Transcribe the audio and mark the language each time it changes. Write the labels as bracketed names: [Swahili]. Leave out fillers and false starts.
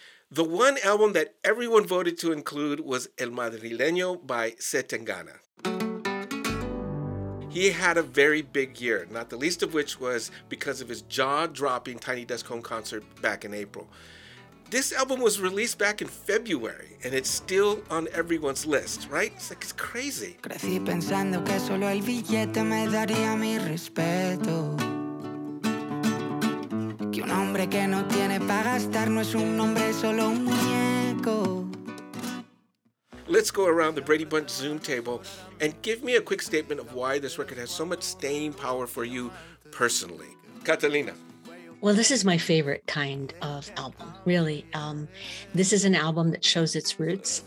[English] The one album that everyone voted to include was El Madrileño by Setangana. He had a very big year, not the least of which was because of his jaw-dropping Tiny Desk Home concert back in April. This album was released back in February, and it's still on everyone's list, right? It's like, it's crazy. [Spanish] Crecí pensando que solo el billete me daría mi respeto. Que un hombre que no tiene para gastar no es un hombre, solo un muñeco. [English] Let's go around the Brady Bunch Zoom table and give me a quick statement of why this record has so much staying power for you personally. Catalina. Well, this is my favorite kind of album, really. This is an album that shows its roots.